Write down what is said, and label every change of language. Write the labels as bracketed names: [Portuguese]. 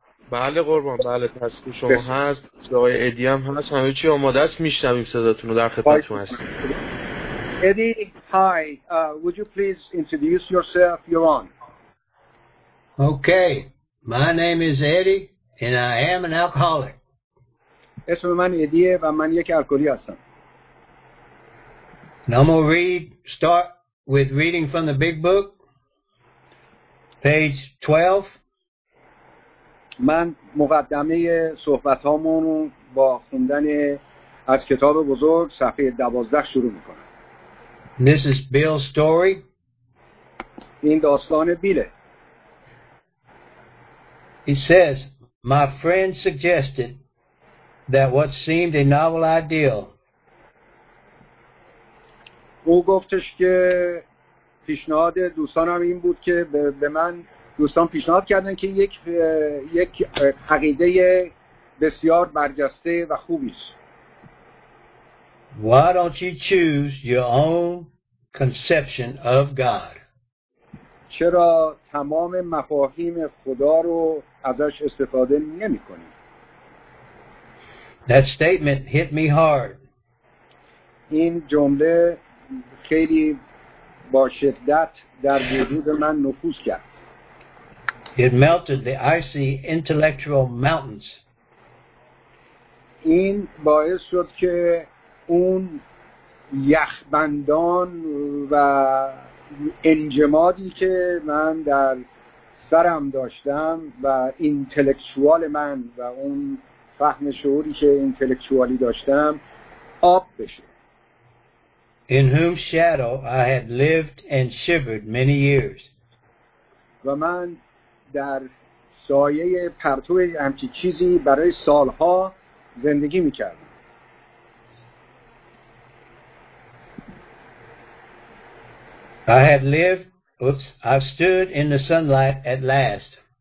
[Persian] بله قربان، بله تصویر شما هست، جای ادی هم هست، همه چی آماده است، میشنویم صداتون رو، در خدمتتون هستیم. [English] Eddie hi, would you please introduce yourself, you're on. Okay, my name is Eddie and I am an alcoholic. [Persian] اسم من ادیه و من یک الکلی هستم. [English] And I'm going to read, start with reading from the big book, page 12. [Persian] من مقدمه صحبتامون رو با خوندن از کتاب بزرگ صفحه 12 شروع میکنم. [English] This is Bill's story. [Persian] این داستان بیله. [English] He says, my friend suggested that what seemed a novel idea. [Persian] او گفتش که پیشنهاد دوستانم این بود که به من دوستان پیشنهاد کردن که یک عقیده بسیار برجسته و خوبی است. [English] Why don't you choose your own conception of God? [Persian] چرا تمام مفاهیم خدا رو ازش استفاده نمی‌کنی؟ [English] That statement hit me hard. [Persian] این جمله خیلی با شدت در وجود من نفوذ کرد. [English] It melted the icy intellectual mountains. [Persian] این باعث شد که اون یخبندان و انجمادی که من در سرم داشتم و اینتلکچوال من و اون فهم شعوری که اینتلکچوالی داشتم آب بشه. [English] In whose shadow I had lived and shivered many years. [Persian] و من در سایه پرتو همچی چیزی برای سالها زندگی میکردم. [English] I had lived, oops, I stood in the sunlight at last.